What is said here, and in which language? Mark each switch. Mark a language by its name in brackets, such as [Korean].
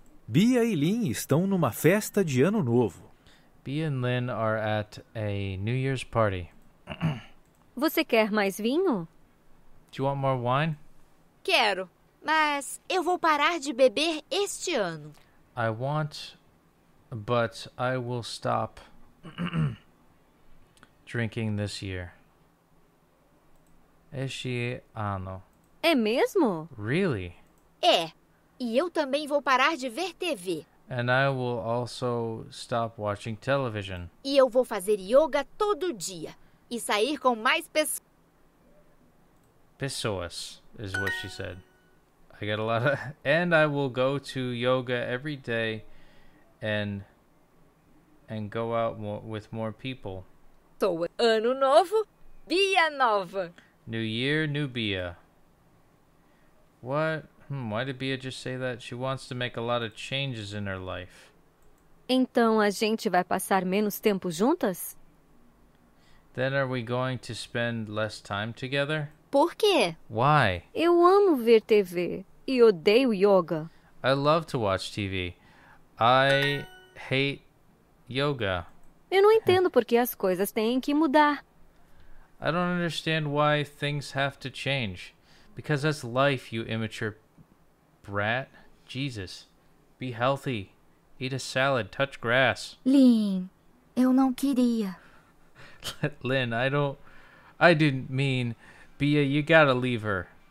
[Portuguese] Bia e Lin estão numa festa de ano novo. [English] Bia and Lin are at a New Year's party. [Portuguese] Você quer mais vinho? [English] Do you want more wine? [Portuguese] Quero, mas eu vou parar de beber este ano. [English] I want, but I will stop drinking this year. [Portuguese] Este ano. É mesmo? [English] Really? [Portuguese] É. E eu também vou parar de ver TV. [English] And I will also stop watching television. [Portuguese] E eu vou fazer yoga todo dia. E sair com mais pessoas, [English] is what she said. I get a lot of... And I will go to yoga every day and go out with more people. [Portuguese] So, ano novo, Bia nova. [English] New year, new Bia. What? Why did Bia just say that? She wants to make a lot of changes in her life. [Portuguese] Então a gente vai passar menos tempo juntas? [English] Then are we going to spend less time together? [Portuguese] Por quê? [English] Why? [Portuguese] Eu amo ver TV e odeio yoga. [English] I love to watch TV. I hate yoga. [Portuguese] Eu não entendo porque as coisas têm que mudar. [English] I don't understand why things have to change. Because that's life, you immature brat. Jesus. Be healthy. Eat a salad. Touch grass. [Portuguese] Lin, eu não queria. [English] Lin, I didn't mean... Bia, you gotta leave her.